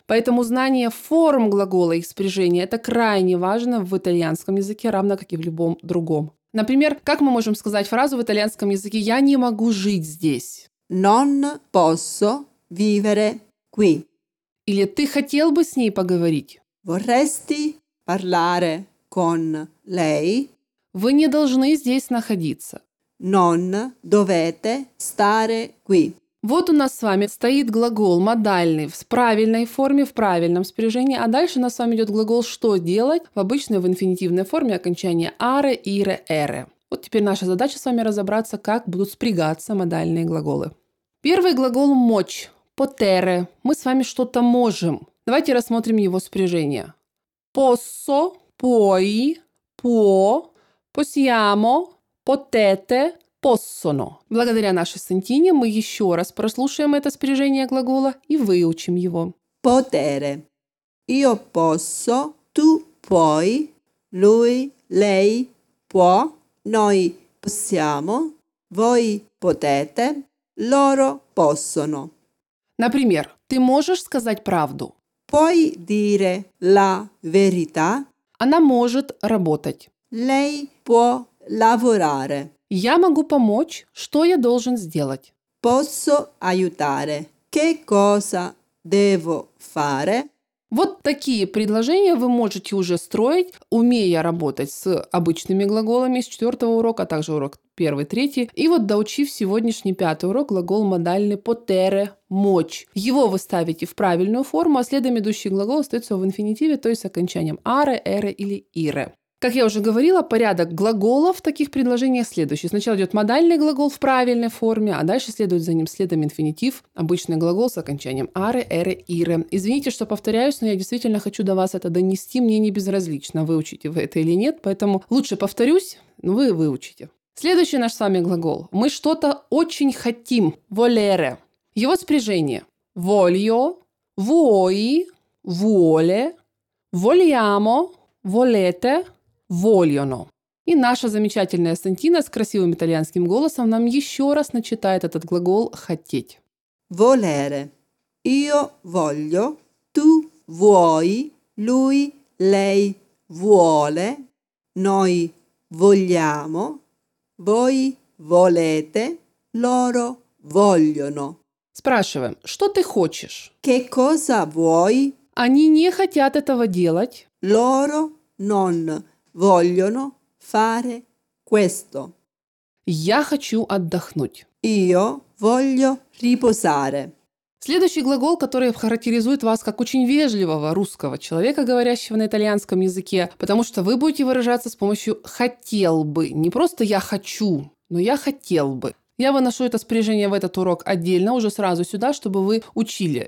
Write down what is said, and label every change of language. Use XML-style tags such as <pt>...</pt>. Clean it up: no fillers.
<ru>Поэтому знание форм глагола и спряжения – это крайне важно в итальянском языке, равно как и в любом другом. Например, как мы можем сказать фразу в итальянском языке «я не могу жить здесь»?</ru> <it>Non posso vivere qui.</it> <ru>Или «ты хотел бы с ней поговорить»?</ru> <it>Vorresti parlare con lei.</it> <ru>Вы не должны здесь находиться.</ru> <it>Non dovete stare qui.</it> <ru>Вот у нас с вами стоит глагол модальный в правильной форме, в правильном спряжении, а дальше у нас с вами идет глагол «что делать» в обычной, в инфинитивной форме окончания «are», «ire», «ere». Вот теперь наша задача с вами разобраться, как будут спрягаться модальные глаголы. Первый глагол «мочь» – «потере». Мы с вами что-то можем. Давайте рассмотрим его спряжение.</ru> <it>«Posso», «puoi», «può», «possiamo», «potete», possono.</it> <ru>Благодаря нашей Сантине мы еще раз прослушаем это спряжение глагола и выучим его.</ru> <it>Potere. Io posso, tu puoi, lui, lei può, noi possiamo, voi potete, loro possono.</it> <ru>Например, ты можешь сказать правду?</ru> <it>Puoi dire la verità?</it> <ru>Она может работать.</ru> <it>Lei può lavorare.</it> <ru>Я могу помочь. Что я должен сделать?</ru> <it>Posso aiutare. Che cosa devo fare?</it> <ru>Вот такие предложения вы можете уже строить, умея работать с обычными глаголами с четвертого урока, а также урок первый, третий. И вот доучив сегодняшний пятый урок, глагол модальный potere – мочь. Его вы ставите в правильную форму, а следом идущий глагол остается в инфинитиве, то есть с окончанием are, ere или ire. Как я уже говорила, порядок глаголов в таких предложениях следующий. Сначала идет модальный глагол в правильной форме, а дальше следует за ним следом инфинитив, обычный глагол с окончанием are, ere, ire. Извините, что повторяюсь, но я действительно хочу до вас это донести. Мне не безразлично, выучите вы это или нет, поэтому лучше повторюсь, но вы выучите. Следующий наш с вами глагол. Мы что-то очень хотим. Volere. Его спряжение.</ru> <it>Voglio, vuoi, vuole, vogliamo, volete. Вольоно.</it> <ru>И наша замечательная Сантина с красивым итальянским голосом нам еще раз начитает этот глагол «хотеть».</ru> <it>Volere. Io voglio, tu vuoi, lui, lei vuole, noi vogliamo, voi volete, loro vogliono.</it> <ru>Спрашиваем, что ты хочешь?</ru> <it>Che cosa vuoi?</it> <ru>Они не хотят этого делать.</ru> <it>Loro non vogliono fare questo.</it> <ru>Я хочу отдохнуть.</ru> <it>Io voglio riposare.</it> <ru>Следующий глагол, который характеризует вас как очень вежливого русского человека, говорящего на итальянском языке, потому что вы будете выражаться с помощью «хотел бы». Не просто «я хочу», но «я хотел бы». Я выношу это спряжение в этот урок отдельно, уже сразу сюда, чтобы вы учили.</ru>